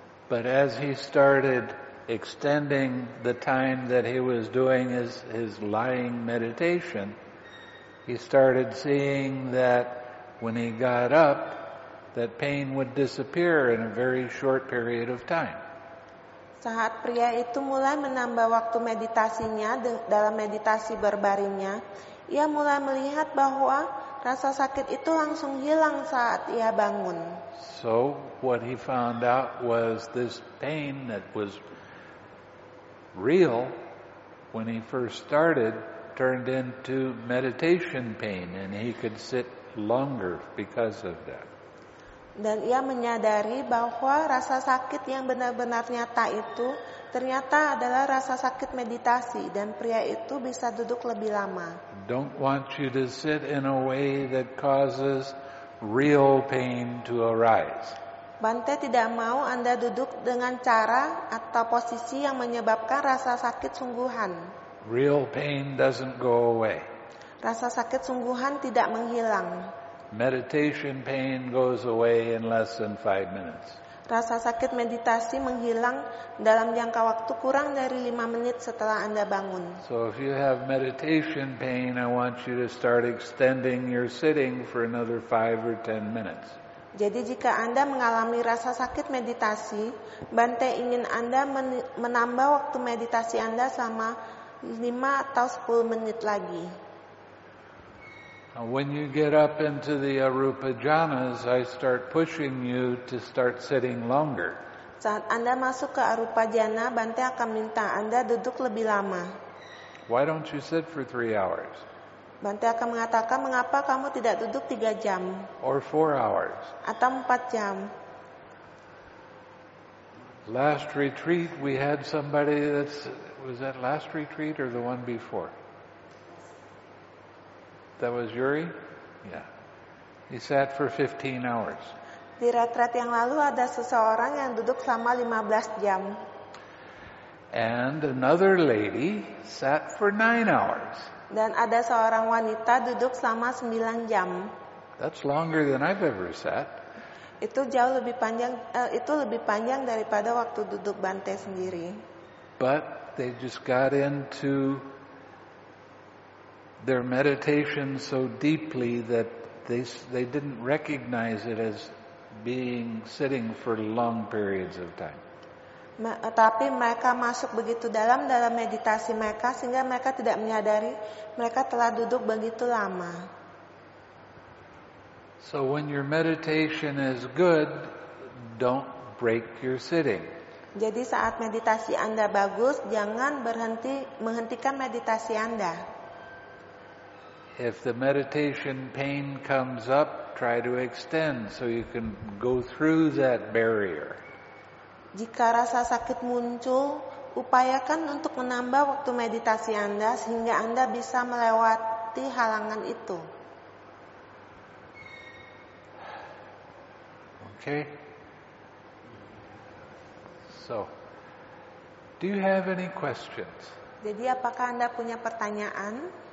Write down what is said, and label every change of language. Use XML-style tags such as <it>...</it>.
<en>But as he started extending the time that he was doing his lying meditation, he started seeing that when he got up, that pain would disappear in a very short period of time.</en> <id>Saat pria itu mulai menambah waktu meditasinya dalam meditasi berbaringnya, ia mulai melihat bahwa rasa sakit itu langsung hilang saat ia bangun.</id> <en>So what he found out was this pain that was real when he first started turned into meditation pain and he could sit longer because of that.</en> <id>Dan ia menyadari bahwa rasa sakit yang benar-benar nyata itu ternyata adalah rasa sakit meditasi dan pria itu bisa duduk lebih lama.</id> <en>Don't want you to sit in a way that causes real pain to arise.</en> <id>Bante tidak mau Anda duduk dengan cara atau posisi yang menyebabkan rasa sakit sungguhan.</id> <en>Real pain doesn't go away.</en> <id>Rasa sakit sungguhan tidak menghilang.</id> <en>Meditation pain goes away in less than 5 minutes.</en> <id>Rasa sakit meditasi menghilang dalam jangka waktu kurang dari 5 menit setelah Anda bangun.</id> <en>So if you have meditation pain, I want you to start extending your sitting for another 5 or 10 minutes.</en> <id>Jadi jika Anda mengalami rasa sakit meditasi, Bante ingin Anda menambah waktu meditasi Anda selama 5 atau 10 menit lagi.</id> <en>When you get up into the Arupa Jhanas, I start pushing you to start sitting longer.</en> <id>Saat Anda masuk ke Arupa Jhana, Bante akan minta Anda duduk lebih lama.</id> <en>Why don't you sit for 3 hours?</en> <id>Bante akan mengatakan, mengapa kamu tidak duduk 3 jam?</id> <en>Or 4 hours?</en> <id>Atau 4 jam?</id> <en>Last retreat, we had somebody that's, was that last retreat or the one before? That was Yuri? Yeah. He sat for 15 hours.</en> <id>Di retret yang lalu ada seseorang yang duduk selama 15 jam.</id> <en>And another lady sat for 9 hours.</en> <id>Dan ada seorang wanita duduk selama 9 jam.</id> <en>That's longer than I've ever sat.</en> <id>Itu jauh lebih panjang daripada waktu duduk Bante sendiri.</id> <en>But they just got into their meditation so deeply that they didn't recognize it as being sitting for long periods of time.</en> <id>Tapi mereka masuk begitu dalam meditasi mereka sehingga mereka tidak menyadari mereka telah duduk begitu lama.</id> <en>So when your meditation is good, don't break your sitting.</en> <id>Jadi saat meditasi Anda bagus, jangan menghentikan meditasi Anda.</id> <en>If the meditation pain comes up, try to extend so you can go through that barrier.</en> <id>Jika rasa sakit muncul, upayakan untuk menambah waktu meditasi Anda sehingga Anda bisa melewati halangan itu.</id> <en>Okay. So, do you have any questions?</en> <id>Jadi apakah Anda punya pertanyaan?</id>